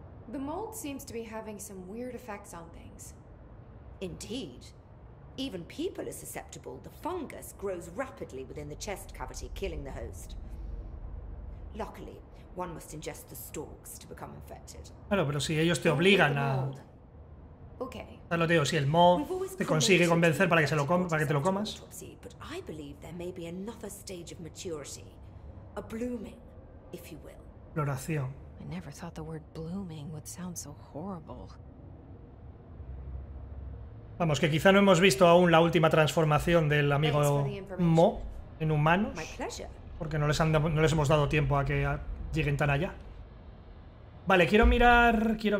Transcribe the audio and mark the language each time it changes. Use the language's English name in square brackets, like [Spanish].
[English] The mold seems to be having some weird effects on things. Indeed. Even people are susceptible. The fungus grows rapidly within the chest cavity, killing the host. Luckily, one must ingest the stalks to become infected. [Spanish] Claro, pero si ellos te obligan a... [English] Okay. [Spanish] Ya lo digo, si el mold te consigue convencer para que se lo comas, para que te lo comas. [English] But I believe there may be another stage of maturity, a blooming, if you will. [Spanish] Floración. [English] I never thought the word blooming would sound so horrible. [Spanish] Vamos, que quizá no hemos visto aún la última transformación del amigo Mo en humanos, porque no les hemos dado tiempo a que lleguen tan allá. Vale, quiero mirar.